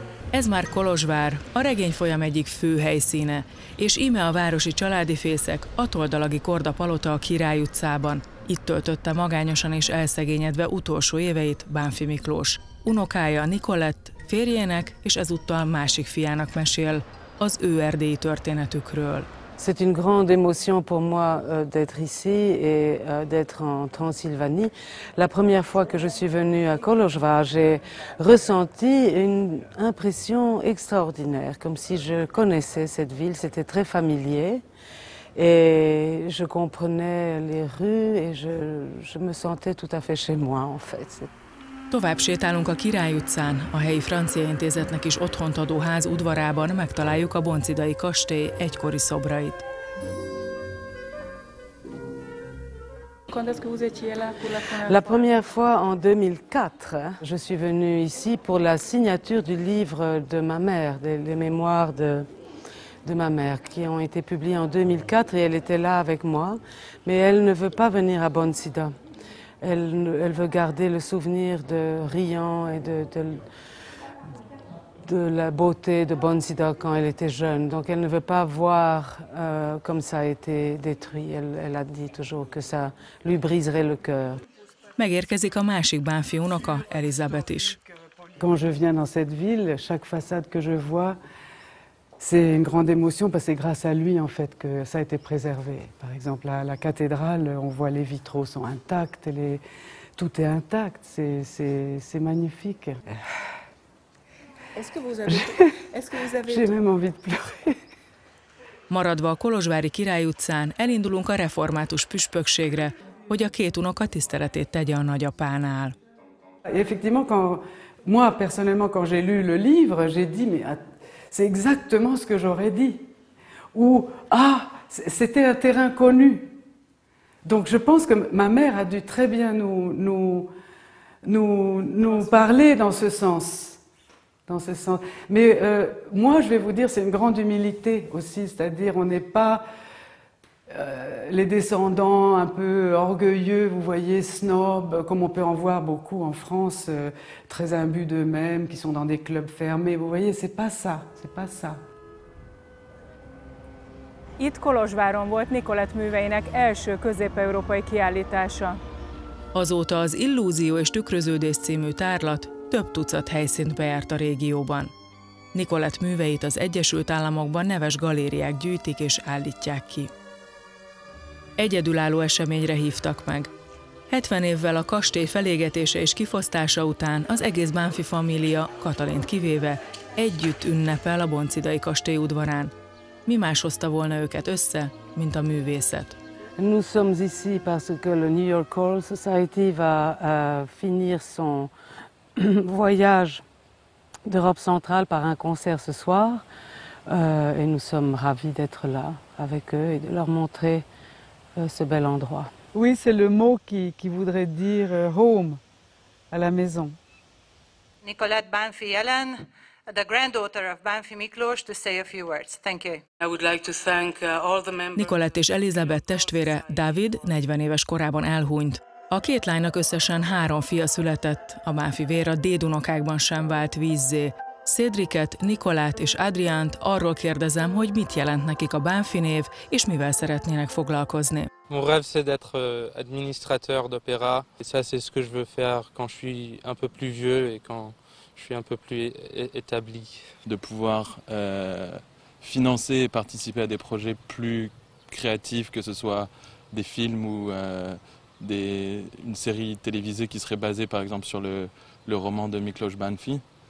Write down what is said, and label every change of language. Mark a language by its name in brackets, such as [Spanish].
[Hungarian] Ez már Kolozsvár, a regény folyam egyik fő helyszíne, és íme a városi családi fészek, a toldalagi korda palota a Király utcában. Itt töltötte magányosan és elszegényedve utolsó éveit Banffy Miklós. Unokája Nicolette, férjének és ezúttal másik fiának mesél az ő erdélyi történetükről. [French] C'est une grande émotion pour moi d'être ici et d'être en Transylvanie. La première fois que je suis venue à Kolozsvár, j'ai ressenti une impression extraordinaire, comme si je connaissais cette ville, c'était très familier. Et je comprenais les rues et je me sentais tout à fait chez moi, en fait. [Hungarian] Tovább sétálunk a Király utcán, a helyi francia intézetnek is otthont adó ház udvarában megtaláljuk a boncidai kastély egykori szobrait. [French] Quand est-ce que vous étiez là pour la première fois? La première fois en 2004. Je suis venue ici pour la signature du livre de ma mère, des mémoires de ma mère, qui ont été publiées en 2004 et elle était là avec moi. Mais elle ne veut pas venir à Bonsida. Elle veut garder le souvenir de Rian et de la beauté de Bonsida quand elle était jeune. Donc elle ne veut pas voir comme ça a été détruit. Elle a dit toujours que ça lui briserait le cœur. [Hungarian] Megérkezik a másik Banffy unoka, Elizabeth is. [French] Quand je viens dans cette ville, chaque façade que je vois, c'est une grande émotion parce que c'est grâce à lui en fait que ça a été préservé. Par exemple, à la cathédrale, on voit les vitraux sont intacts, tout est intact, c'est magnifique. J'ai même envie de pleurer. [Hungarian] Maradva a kolozsvári Király utcán, elindulunk a református püspökségre, hogy a két unoka tiszteletét tegye a nagyapánál. [French] Effectivement, quand moi personnellement quand j'ai lu le livre, j'ai dit mais c'est exactement ce que j'aurais dit. Ou ah, c'était un terrain connu. Donc je pense que ma mère a dû très bien nous parler dans ce sens. Dans ce sens. Mais moi, je vais vous dire, c'est une grande humilité aussi, c'est-à-dire on n'est pas les descendants un peu orgueilleux, vous voyez, snobs, comme on peut en voir beaucoup en France, très imbus d'eux-mêmes, qui sont dans des clubs fermés, vous voyez, c'est pas ça, c'est pas ça. [Hungarian] Itt Kolozsváron volt Nicolette műveinek első közép-európai kiállítása. Azóta az Illúzió és tükröződés című tárlat több tucat helyszínt bejárt a régióban. Nicolette műveit az Egyesült Államokban neves galériák gyűjtik és állítják ki. Egyedülálló eseményre hívtak meg. 70 évvel a kastély felégetése és kifosztása után az egész Banffy família, Katalint kivéve, együtt ünnepel a boncidai kastély udvarán. Mi más hozta volna őket össze, mint a művészet? [French] Nous sommes ici parce que le New York Choral Society va finir son voyage d'Europe centrale par un concert ce soir. Et nous sommes ravis d'être là avec eux et de leur montrer ce bel endroit. Oui, c'est le mot qui voudrait dire home, à la maison. [English] Nicolette Banffy Ellen, the granddaughter of Banffy Miklós, to say a few words. Thank you. I would like to thank all the members. [Hungarian] Nicolette és Elizabeth testvére David 40 éves korában elhunyt. A két lánynak összesen három fia született, a Banffy vér a dédunokákban sem vált vízzé. Cédricet, Nicolette és Adriant arról kérdezem, hogy mit jelent nekik a Banffy név, és mivel szeretnének foglalkozni. [French] Mon rêve c'est d'être administrateur d'opéra, et ça c'est ce que je veux faire quand je suis un peu plus vieux et quand je suis un peu plus établi. De pouvoir financer et participer à des projets plus créatifs, que ce soit des films ou une série télévisée qui serait basée par exemple sur le roman de Miklós Banffy.